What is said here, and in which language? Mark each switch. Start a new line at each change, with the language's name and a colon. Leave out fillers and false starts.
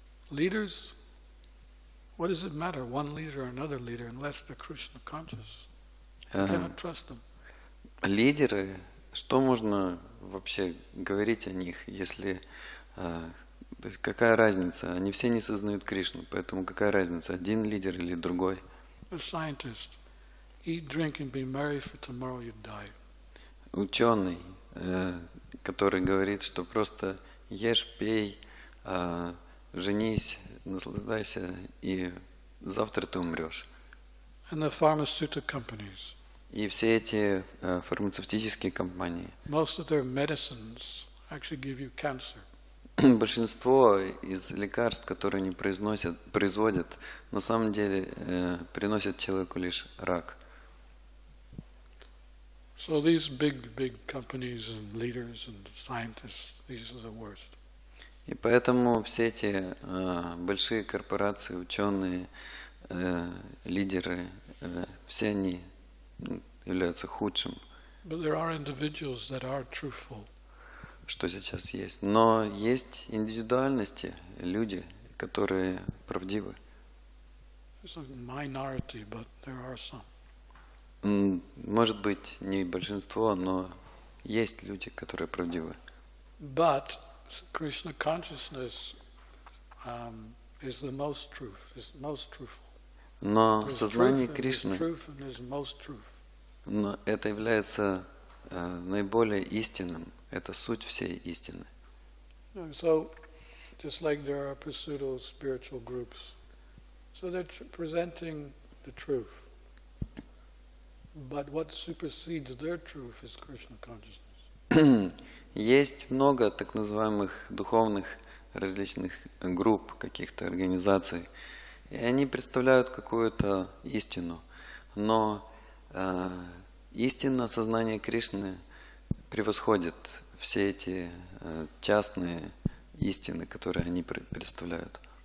English: Leaders, what does it matter, one leader or another leader, unless they're Krishna conscious? Cannot trust them.
Russian: Лидеры, что можно вообще говорить о них, если то есть какая разница? Они все не сознают Кришну, поэтому какая разница, один лидер или другой?
English: A scientist, eat, drink, and be merry, for tomorrow you die.
Russian: Ученый, который говорит, что просто ешь, пей, женись, наслаждайся, и завтра ты умрешь.
English: And the pharmaceutical companies.
Russian: И все эти фармацевтические компании.
English: Most of their medicines actually give you cancer.
Russian: Большинство из лекарств, которые они производят, на самом деле приносят человеку лишь рак.
English: So these big, big companies and leaders and scientists, these are the worst.
Russian: И поэтому все эти большие корпорации, ученые, лидеры, все они являются худшим.
English: But there are individuals that are truthful.
Russian: Что сейчас есть. Но есть индивидуальности, люди, которые правдивы.
English: It's a minority, but there are some.
Russian: Может быть, не большинство, но есть люди, которые правдивы.
English: But Krishna consciousness is the most truth, is most truthful.
Russian: Но сознание Кришны,
English: truth and is most truth.
Russian: Но это является наиболее истинным. Это суть всей истины.
English: So, just like there are pseudo spiritual groups, so they're presenting the truth. But what supersedes their truth is Krishna consciousness.
Russian: Есть много так называемых духовных различных групп, каких-то организаций, и они представляют какую-то истину, но истинное сознание Кришны превосходит все эти частные истины, которые они представляют.